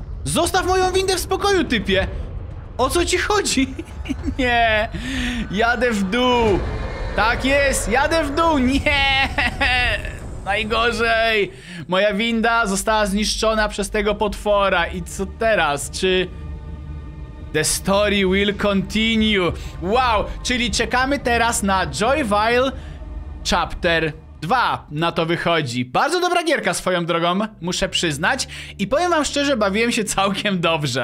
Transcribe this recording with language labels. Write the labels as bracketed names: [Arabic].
[Polish] Zostaw moją windę w spokoju, typie! O co ci chodzi? Nie! Jadę w dół! Tak jest! Jadę w dół! Nie! Najgorzej! Moja winda została zniszczona przez tego potwora. I co teraz? Czy... [English] The story will continue. Wow! [Polish] Czyli czekamy teraz na Joyville Chapter 2. Na to wychodzi. Bardzo dobra gierka swoją drogą, muszę przyznać. I powiem wam szczerze, bawiłem się całkiem dobrze.